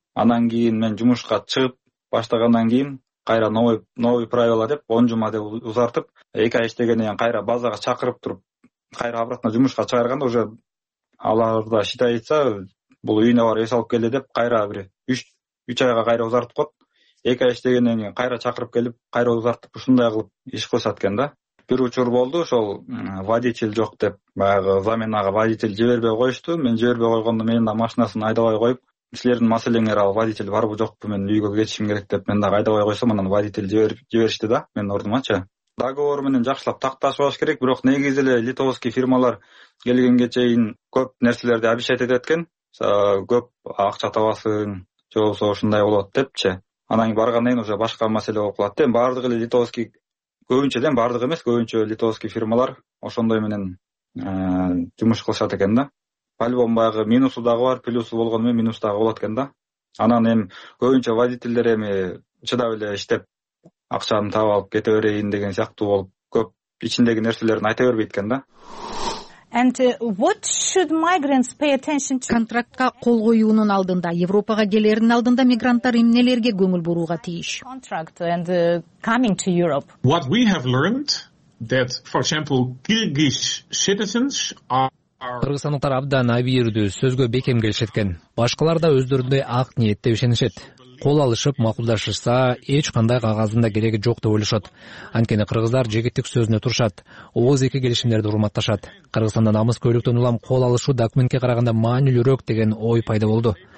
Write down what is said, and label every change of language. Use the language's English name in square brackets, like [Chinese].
[Kyrgyz] Анан кийин мен жумушка чыгып баштагандан кийин кайра [Russian] новый правила [Kyrgyz] деп 10 жума деп узартып 2 ай иштегенден кийин кайра базага чакырып туруп кайра обратно жумушка чыгарганда уже аларда считается бул үйүнө барып эс алып келди деп кайра бир 3 айга кайра узартып коет. 2 ай иштегенден кийин кайра чакырып келип кайра узартып ушундай кылып иш кылышат экен да. Бир учур болду, ошол водитель жок деп баягы заменага водитель жибербей коюшту. Мен жибербей койгондо менин да машинасын айдабай коюп, силердин маселеңер ал водитель барбы жокпу, мен үйгө кетишим керек деп мен дагы айдабай койсом анан водитель жиберишти да менин ордумачы. Договор менен жакшылап такташпаш керек, бирок негизи эле литовский фирмалар келгенге чейин көп нерселерди обещать этет экен, көп акча табасың же болбосо ушундай болот депчи. Анан кийин баргандан кийин уже башка маселе болуп калат да. Баардыгы эле литовский, көбүнчө эле баардыгы эмес, көбүнчө литовский фирмалар ошондой менен жумуш кылышат экен да. По-любому баягы минусу дагы бар, плюсу болгону менен минус дагы болот экен да. Анан эми көбүнчө водительдер эми чыдап эле иштеп акчаны таап алып кете берейин деген сыяктуу болуп көп ичиндеги нерселерин айта бербейт экен да. [English] And what should migrants pay attention to? [Kyrgyz] Контрактка кол коюунун алдында, Европага келеринин алдында мигранттар эмнелерге көңүл бурууга тийиш? [English] Contract and coming to Europe. What we have learned that, for example, Kyrgyz citizens are... [Kyrgyz] Кыргызстандыктар абдан абийирдүү, сөзгө бекем келишет экен. Башкалар да өздөрүндөй ак ниетте ишенишет. Кол алышып макулдашышса эч кандай кагазында кереги жок деп ойлошот. Анткени кыргыздар жегиттик сөзүнө турушат, ооз эки келишимдерди урматташат. Кыргызстанда намыс көйлөктөн улам кол алышуу документке караганда маанилүүрөөк деген ой пайда болду.